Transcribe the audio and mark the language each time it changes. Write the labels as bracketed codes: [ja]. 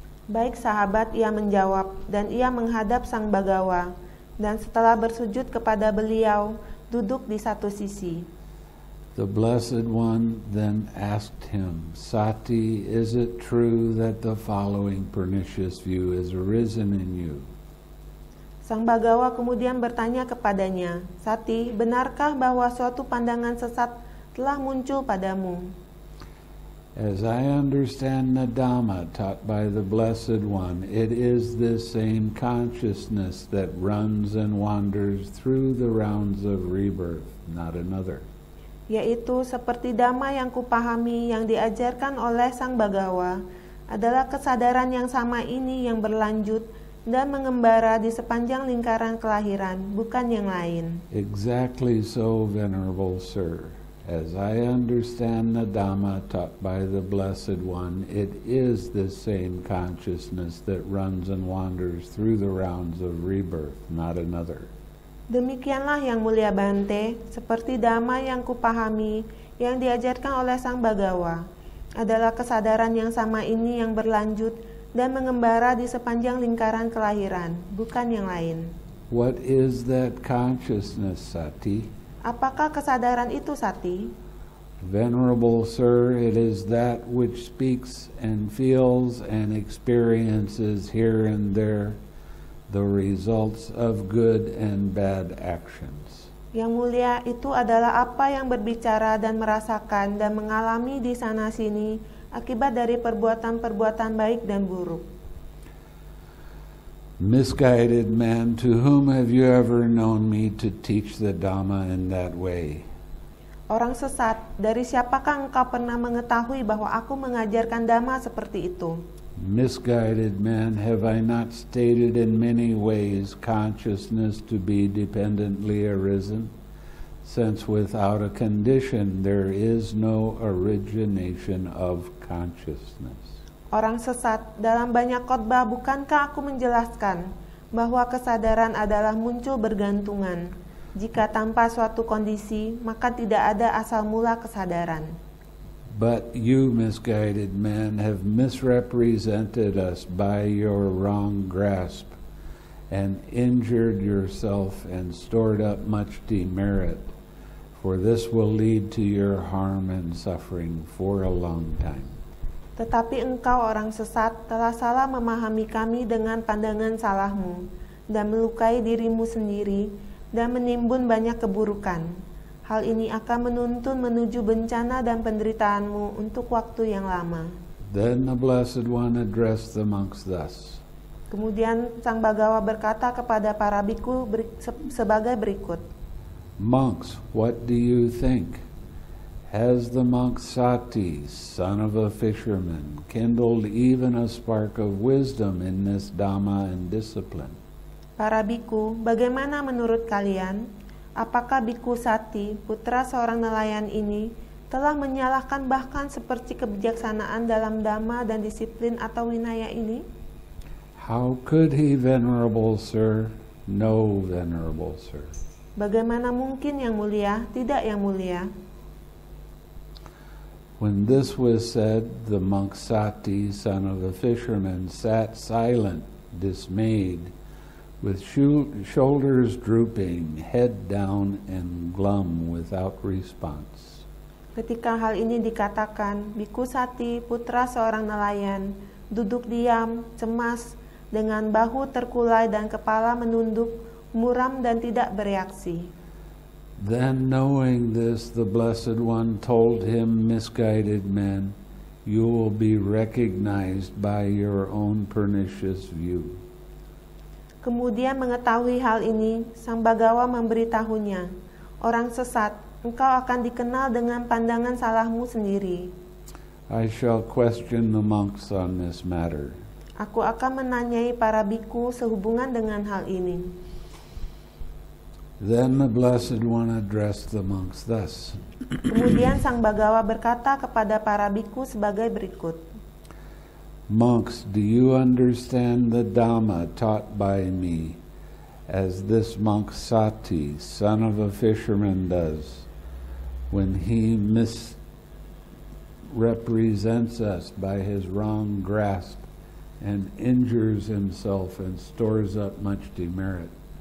[id] "Baik, sahabat," ia menjawab, dan ia menghadap Sang Bhagawa, dan setelah bersujud kepada beliau, duduk di satu sisi. [en] The Blessed One then asked him, "Sati, is it true that the following pernicious view has arisen in you?" [id] Sang Bhagawa kemudian bertanya kepadanya, "Sati, benarkah bahwa suatu pandangan sesat telah muncul padamu?" [en] "As I understand the Dhamma taught by the Blessed One, it is this same consciousness that runs and wanders through the rounds of rebirth, not another." [id] Yaitu seperti Dhamma yang kupahami yang diajarkan oleh Sang Bhagawa adalah kesadaran yang sama ini yang berlanjut dan mengembara di sepanjang lingkaran kelahiran, bukan yang lain. [en] "Exactly so, Venerable Sir. As I understand the Dhamma taught by the Blessed One, it is the same consciousness that runs and wanders through the rounds of rebirth, not another." [id] Demikianlah Yang Mulia Bante, seperti Dhamma yang kupahami, yang diajarkan oleh Sang Bhagawa, adalah kesadaran yang sama ini yang berlanjut dan mengembara di sepanjang lingkaran kelahiran, bukan yang lain. [en] "What is that consciousness, Sati?" [id] Apakah kesadaran itu, Sati? [en] "Venerable Sir, it is that which speaks and feels and experiences here and there the results of good and bad actions." [id] Yang Mulia, itu adalah apa yang berbicara dan merasakan dan mengalami di sana sini akibat dari perbuatan-perbuatan baik dan buruk. [en] "Misguided man, to whom have you ever known me to teach the Dhamma in that way?" [id] Orang sesat, dari siapakah engkau pernah mengetahui bahwa aku mengajarkan Dhamma seperti itu? [en] "Misguided man, have I not stated in many ways consciousness to be dependently arisen, since without a condition there is no origination of consciousness?" [id] Orang sesat, dalam banyak khotbah bukankah aku menjelaskan bahwa kesadaran adalah muncul bergantungan. Jika tanpa suatu kondisi, maka tidak ada asal mula kesadaran. [en] "But you, misguided man, have misrepresented us by your wrong grasp and injured yourself and stored up much demerit, for this will lead to your harm and suffering for a long time." [id] Tetapi engkau orang sesat telah salah memahami kami dengan pandangan salahmu dan melukai dirimu sendiri dan menimbun banyak keburukan. Hal ini akan menuntun menuju bencana dan penderitaanmu untuk waktu yang lama. [en] Then the Blessed One addressed the monks thus. [id] Kemudian Sang Bhagava berkata kepada para bhikkhu sebagai berikut. [en] Monks, what do you think? Has the monk Sati, son of a fisherman, kindled even a spark of wisdom in this Dhamma and discipline? [id] Para bhikkhu, bagaimana menurut kalian? Apakah bhikkhu Sati, putra seorang nelayan ini, telah menyalakan bahkan seperti kebijaksanaan dalam Dhamma dan disiplin atau winaya ini? [en] How could he, venerable sir, know, venerable sir? [id] Bagaimana mungkin yang mulia, tidak yang mulia? [en] When this was said, the monk Sati, son of a fisherman, sat silent, dismayed, with shoulders drooping, head down and glum without response. [id] Ketika hal ini dikatakan, Bhikkhu Sati, putra seorang nelayan, duduk diam, cemas, dengan bahu terkulai dan kepala menunduk, muram dan tidak bereaksi. [en] Then knowing this, the Blessed One told him, misguided man, you will be recognized by your own pernicious view. [id] Kemudian mengetahui hal ini, Sang Bhagava memberitahunya, orang sesat, engkau akan dikenal dengan pandangan salahmu sendiri. [en] I shall question the monks on this matter. [id] Aku akan menanyai para bhikkhu sehubungan dengan hal ini. [en] Then the Blessed One addressed the monks thus. [id] Kemudian Sang Bhagava berkata kepada para bhikkhu sebagai berikut. [en] Monks, do you understand the Dhamma taught by me as this monk Sati, son of a fisherman, does when he misrepresents us by his wrong grasp and injures himself and stores up much demerit?